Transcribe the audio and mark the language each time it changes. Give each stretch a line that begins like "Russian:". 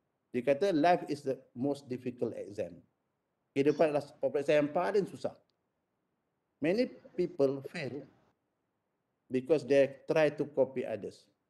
Malay: Dia kata
English: life is the most difficult exam.
Malay: Kehidupan adalah peperiksaan yang paling susah.
English: Many people fail because they try to copy others.